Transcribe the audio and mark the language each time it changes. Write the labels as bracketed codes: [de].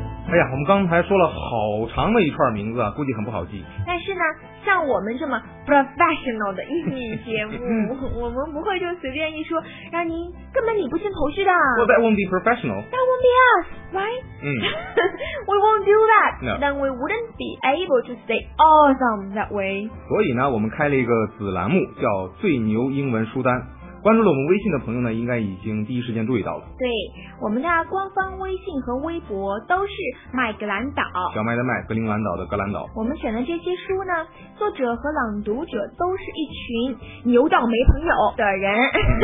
[zh] 哎呀，我们刚才说了好长的一串名字啊，估计很不好记。但是呢，像我们这么 professional 的英语节目，我们不会就随便一说，让您根本理不清头绪的。 [en] Well, that won't be professional. That won't be us, right? We won't do that. No. Then we wouldn't be able to stay awesome that way. [zh] 所以呢，我们开了一个子栏目，叫《最牛英文书单》。关注了我们微信的朋友呢，应该已经第一时间注意到了。对，我们的官方微信和微博都是麦格兰岛，小麦的麦，格林兰岛的格兰岛。我们选的这些书呢，作者和朗读者都是一群牛到没朋友的人。